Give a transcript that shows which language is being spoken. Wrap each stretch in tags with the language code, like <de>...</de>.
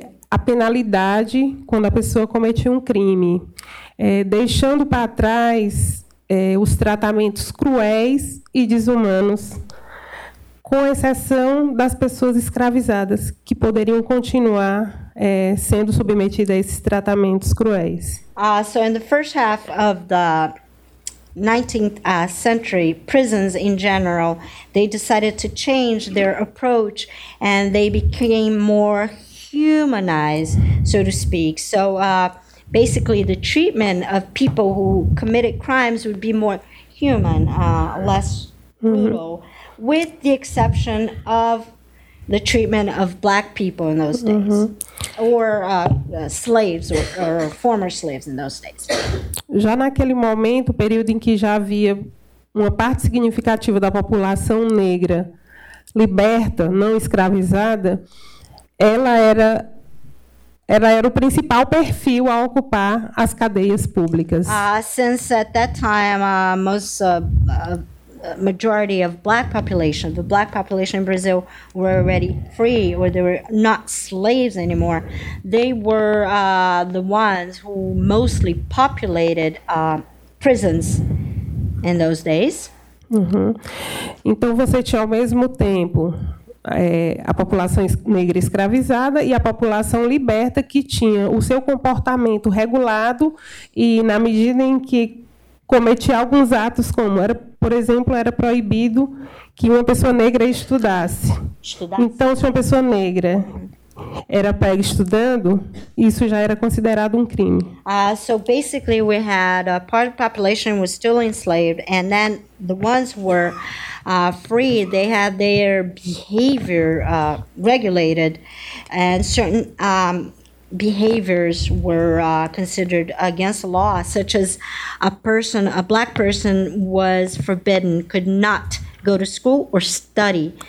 <pt>a penalidade quando a pessoa cometia um crime, deixando para trás os tratamentos cruéis e desumanos, com exceção das pessoas escravizadas, que poderiam continuar sendo submetida a esses tratamentos cruéis.</pt> <en>So in the first half of the 19th century, prisons in general, they decided to change their approach and they became more humanized, so to speak. So basically the treatment of people who committed crimes would be more human, less brutal, mm-hmm. with the exception of the treatment of black people in those days, mm-hmm. or slaves, or former slaves in those days.</en> <pt>Já naquele momento, período em que já havia uma parte significativa da população negra liberta, não escravizada, ela era o principal perfil a ocupar as cadeias públicas.</pt> <en>Since at that time, most majority of black population, the black population in Brazil were already free, or they were not slaves anymore. They were the ones who mostly populated prisons in those days. Uh-huh.</en> <pt>Então você tinha ao mesmo tempo a população negra escravizada e a população liberta que tinha o seu comportamento regulado e na medida em que cometia alguns atos como era, por exemplo, era proibido que uma pessoa negra estudasse. Então, se uma pessoa negra era pega estudando, isso já era considerado um crime.</pt> <en>So basically we had a part of the population was still enslaved, and then the ones who were free, they had their behavior regulated, and certain behaviors were considered against the law, such as a black person was forbidden, could not go to school or study.</en>